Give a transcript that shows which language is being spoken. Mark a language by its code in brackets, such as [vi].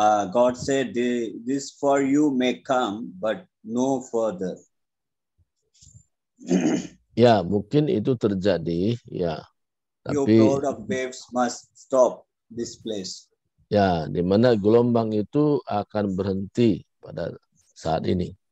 [en] God said this for you may come, but no further. [id] Ya, mungkin itu terjadi, ya. Tapi [en] your cloud of waves must stop, this place. [id] Ya, di mana gelombang itu akan berhenti pada saat ini.